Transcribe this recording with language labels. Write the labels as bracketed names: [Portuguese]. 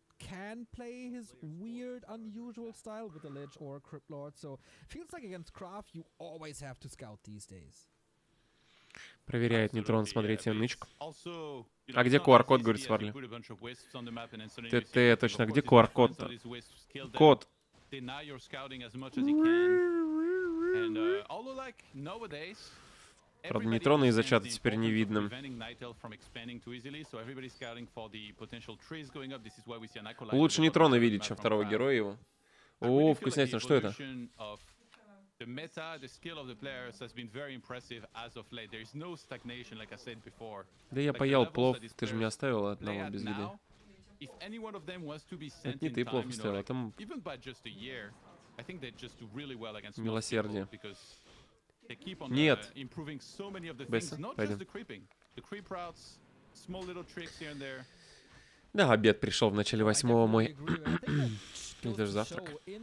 [English] Can play his weird, unusual style with a Lich or a Crypt Lord, so feels like against Kraft you always have to scout these days. [Russian] Проверяет нейтрон, смотрите, нычку. А где QR-код, говорит Сварли? ТТ, точно, где QR-код-то? Код! Правда, нейтроны из-за чата теперь не видно. Лучше нейтроны видеть, чем второго героя его. О, вкуснятина, что это? [English] The meta, the skill of the players has been very impressive as of late. There is no stagnation, like I said before. [Russian] Да я поел плов, ты же меня оставил одного без еды. [English] If any one of them was to be sent in time, you know, like, even by just a year, I think they'd just do really well against most people. Because they keep on improving so many of the things, not just the creeping, the creep routes, small little tricks here and there. [Russian] Да, обед пришел в начале восьмого, мой. Или даже завтрак.